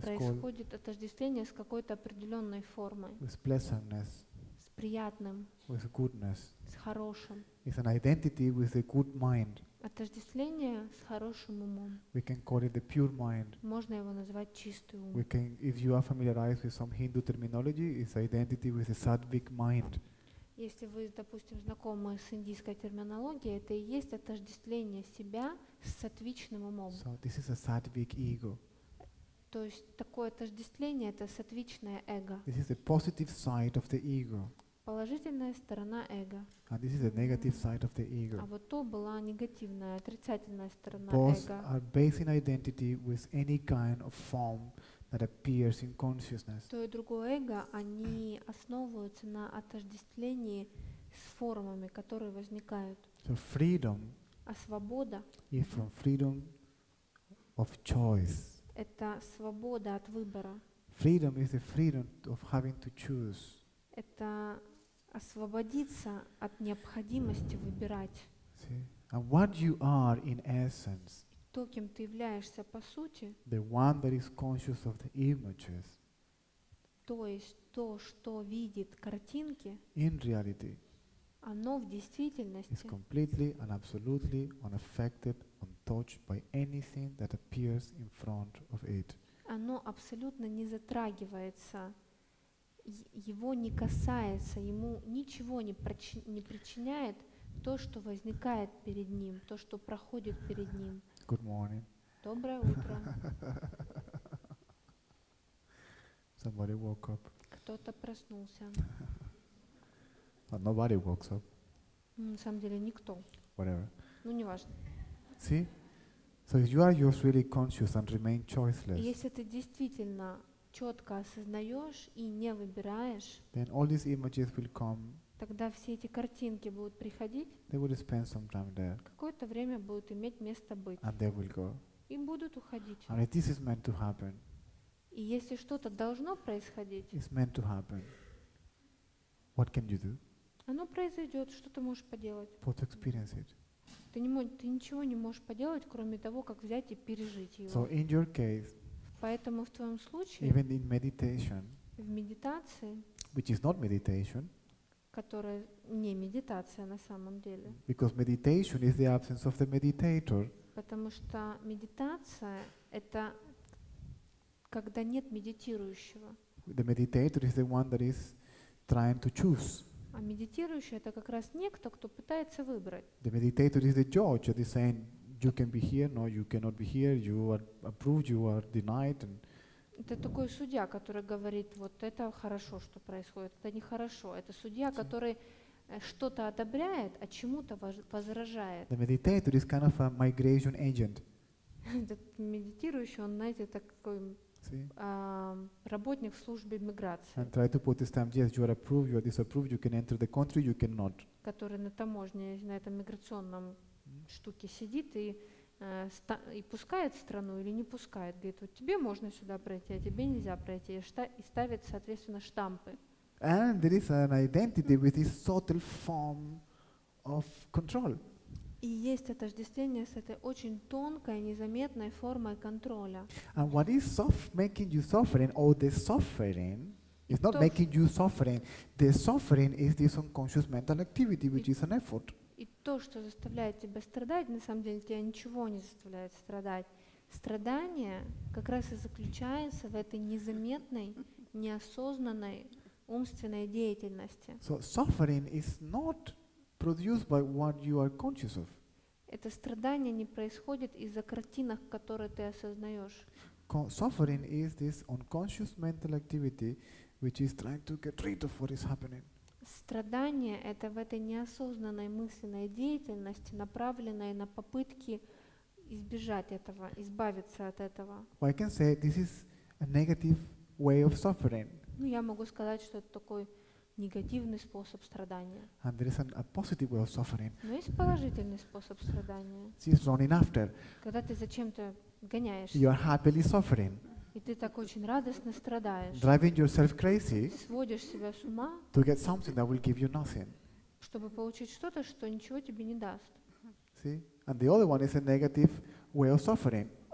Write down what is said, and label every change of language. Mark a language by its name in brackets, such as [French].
[Russian] Происходит отождествление с какой-то определенной формой. [English] With pleasantness. [Russian] С приятным. [English] With goodness. [Russian] С хорошим. [English] It's an identity with a good mind. [Russian] Отождествление с хорошим умом. [English] We can call it the pure mind. [Russian] Можно его назвать чистый ум. [English] We can, if you are familiarized with some Hindu terminology, it's identity with a sattvic mind. [Russian] Если вы, допустим, знакомы с индийской терминологией, это и есть отождествление себя с сатвичным умом. [English] So this is a sattvic ego. [Russian] То есть такое отождествление – это сатвичное эго. [English] This is the positive side of the ego. [Russian] Положительная сторона эго. [English] And this is the negative side of the ego. [Russian] А вот то была негативная, отрицательная сторона [English] Both [Russian] эго. [English] Both are based in identity with any kind of form that appears in consciousness. [Russian] То и другое эго, они основываются на отождествлении с формами, которые возникают. [English] So freedom. [Russian] А свобода. [English] Is from freedom of choice. [Russian] Это свобода от выбора. [English] Freedom is the freedom of having to choose. [Russian] Это освободиться от необходимости выбирать. [English] See? And what you are in essence. [Russian] То, кем ты являешься по сути. [English] The one that is conscious of the images. [Russian] То есть то, что видит картинки. [English] In reality. [Russian] Оно в действительности. [English] Is completely and absolutely unaffected, untouched by anything that appears in front of it. [Russian] Оно абсолютно не затрагивается. Его не касается, ему ничего не причиняет то, что возникает перед ним, то, что проходит перед ним. [English] Good morning. [Russian] Доброе утро. [English] Somebody woke up. [Russian] Кто-то проснулся. [English] But nobody wakes up. [Russian] На самом деле никто. [English] Whatever. [Russian] Ну неважно. [English] See? So if you are just really conscious and remain choiceless. [Russian] Если ты действительно четко осознаешь и не выбираешь, [English] then all these images will come, [Russian] тогда все эти картинки будут приходить, [English] they will spend some time there, [Russian] какое-то время будут иметь место быть, [English] and they will go. [Russian] И будут уходить. [English] And if this is meant to happen, [Russian] и если что-то должно происходить, [English] it's meant to happen, what can you do? [Russian] Оно произойдет, что ты можешь поделать? [English] What to experience it? [Russian] Ты ничего не можешь поделать, кроме того, как взять и пережить его. [English] So in your case, [Russian] поэтому в твоем случае, [English] even in meditation, [Russian] в медитации, [English] which is not meditation, [Russian] которая не медитация на самом деле, [English] because meditation is the absence of the meditator, [Russian] потому что медитация – это когда нет медитирующего. [English] The meditator is the one that is trying to choose. [Russian] А медитирующий – это как раз некто, кто пытается выбрать. [English] The meditator is the judge that is saying, you can be here, no, you cannot be here, you are approved, you are denied. [Russian] Это такой судья, который говорит, вот это хорошо, что происходит, это нехорошо. Это судья, который что-то одобряет, а чему-то возражает. [English] The meditator is kind of a migration agent. [Russian] Этот медитирующий, он, знаете, такой работник в службе миграции. [English] And try to put this time, yes, you are approved, you are disapproved, you can enter the country, you cannot. [Russian] Который на таможне, на этом миграционном штуки сидит и пускает страну или не пускает. Говорит, вот тебе можно сюда пройти, а тебе нельзя пройти. И ставит, соответственно, штампы. [English] And there is an identity with this subtle form of control. [Russian] И есть отождествление с этой очень тонкой, незаметной формой контроля. [English] And what is making you suffering, or the suffering, is not making you suffering. The suffering is this unconscious mental activity, which is an effort. [Russian] И то, что заставляет тебя страдать, на самом деле тебя ничего не заставляет страдать. Страдание как раз и заключается в этой незаметной, неосознанной умственной деятельности. [English] So suffering is not produced by what you are conscious of. [Russian] Это страдание не происходит из-за картинок, которые ты осознаешь. [English] Suffering is this unconscious mental activity which is trying to get rid of what is happening. [Russian] Страдание – это в этой неосознанной мысленной деятельности, направленной на попытки избежать этого, избавиться от этого. [English] Well, I can say this is a negative way of suffering. [Russian] Ну, я могу сказать, что это такой негативный способ страдания. [English] And there is a positive way of suffering. [Russian] Но есть положительный способ страдания. [English] It's running after. [Russian] Когда ты зачем-то гоняешь. [English] You are happily suffering. [Russian] И ты так очень радостно страдаешь. [English] Driving yourself crazy. [Russian] Сводишь себя с ума. [English] To get something that will give you nothing. [Russian] Чтобы получить что-то, что ничего тебе не даст. [English] See? And the other one is a negative way of suffering.